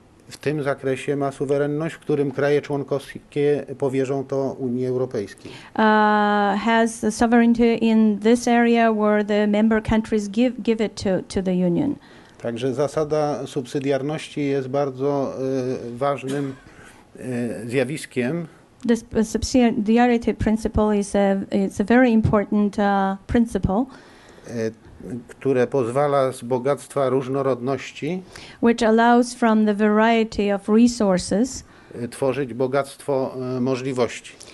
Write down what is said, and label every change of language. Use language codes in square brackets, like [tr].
[pl] W tym zakresie ma suwerenność, w którym kraje członkowskie powierzą to Unii Europejskiej. [en] Has the sovereignty in this area where the member countries give it to the Union. [pl] Także zasada subsydiarności jest bardzo ważnym zjawiskiem. [en] The subsidiarity principle is a very important principle, [pl] które pozwala z bogactwa różnorodności, [en] which allows from the variety of resources, [pl] tworzyć bogactwo możliwości.